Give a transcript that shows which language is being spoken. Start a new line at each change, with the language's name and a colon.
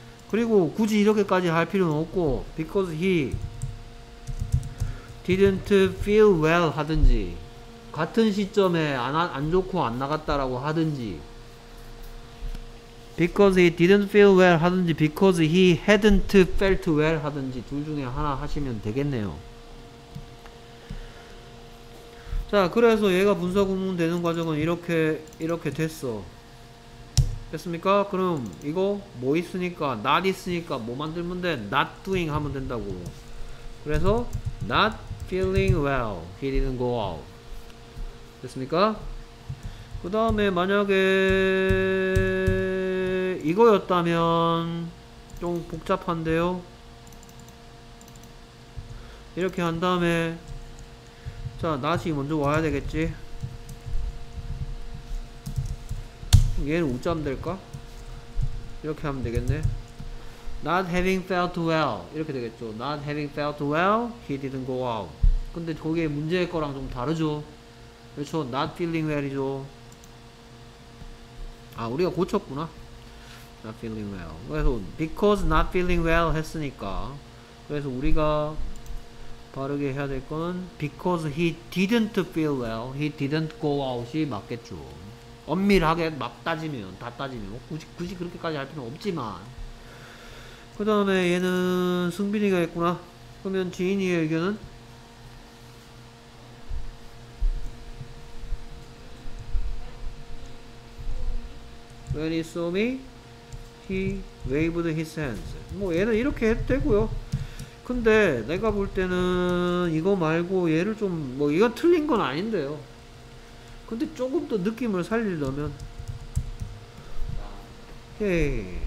Korean: 그리고 굳이 이렇게까지 할 필요는 없고,
English: because he didn't feel well
Korean: 하든지, 같은 시점에 안 좋고 안 나갔다라고 하든지, because he didn't feel well 하든지,
English: because he hadn't felt well
Korean: 하든지, 둘 중에 하나 하시면 되겠네요. 자, 그래서 얘가 분사구문 되는 과정은 이렇게 됐어. 됐습니까? 그럼 이거 뭐 있으니까, not 있으니까 뭐 만들면 돼? not doing 하면 된다고. 그래서
English: not feeling well, he didn't go out.
Korean: 됐습니까? 그 다음에 만약에 이거였다면 좀 복잡한데요. 이렇게 한 다음에 자, not이 먼저 와야 되겠지. 얘는 웃자면 될까? 이렇게 하면 되겠네.
English: Not having felt well,
Korean: 이렇게 되겠죠.
English: Not having felt well, he didn't go out.
Korean: 근데 저게 문제의 거랑 좀 다르죠.
English: 그렇죠. Not feeling well이죠.
Korean: 아, 우리가 고쳤구나. Not feeling well. 그래서
English: because not feeling well
Korean: 했으니까, 그래서 우리가 바르게 해야 될 건
English: because he didn't feel well, he didn't go out이
Korean: 맞겠죠. 엄밀하게 막 따지면, 다 따지면 뭐 굳이 그렇게까지 할 필요는 없지만. 그 다음에 얘는 승빈이가 했구나. 그러면 지인이의 의견은?
English: When he saw me, he waved his hands.
Korean: 뭐 얘는 이렇게 해도 되고요. 근데 내가 볼 때는 이거 말고 얘를 좀, 뭐 이건 틀린 건 아닌데요. 근데 조금 더 느낌을 살리려면 오케이.